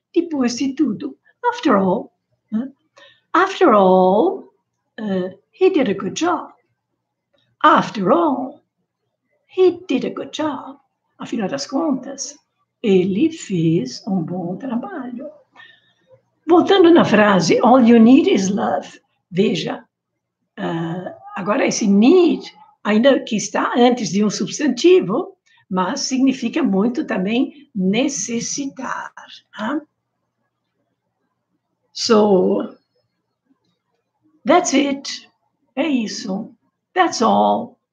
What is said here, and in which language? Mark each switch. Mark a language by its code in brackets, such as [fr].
[pt] Depois de tudo, [en] after all, huh? After all, he did a good job. After all, he did a good job. [pt] Afinal das contas, ele fez um bom trabalho. Voltando na frase, [en] all you need is love. [pt] Veja, agora esse need, ainda que está antes de um substantivo, mas significa muito também necessitar. [en] So, that's it. [pt] É isso. [en] That's all.